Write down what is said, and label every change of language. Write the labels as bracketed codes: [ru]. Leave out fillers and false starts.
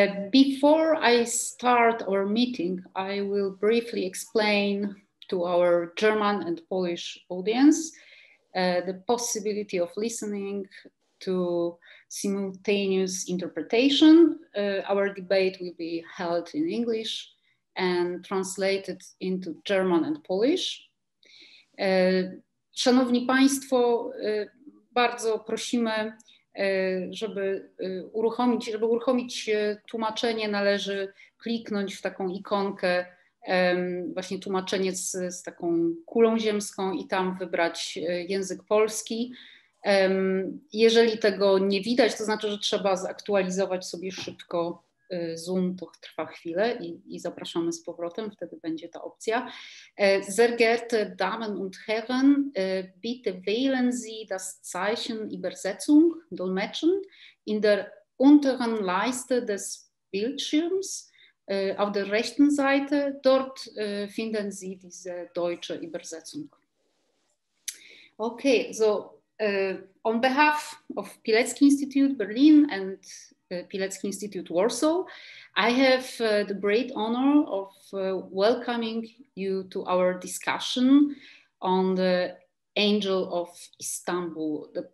[en] Before I start our meeting, I will briefly explain to our German and Polish audience the possibility of listening to simultaneous interpretation. Our debate will be held in English and translated into German and Polish. [pl] Szanowni Państwo, bardzo prosimy, żeby uruchomić tłumaczenie, należy kliknąć w taką ikonkę, właśnie tłumaczenie z taką kulą ziemską i tam wybrać język polski. Jeżeli tego nie widać, to znaczy, że trzeba zaktualizować sobie szybko Zoom, to trwa chwilę i zapraszamy z powrotem, wtedy będzie ta opcja. [de] Sehr geehrte Damen und Herren, bitte wählen Sie das Zeichen Übersetzung, Dolmetschen, in der unteren Leiste des Bildschirms, auf der rechten Seite, dort finden Sie diese deutsche Übersetzung. [en] Okay, so on behalf of Pilecki Institute Berlin and Pilecki Institute Warsaw, I have the great honor of welcoming you to our discussion on the Angel of Istanbul,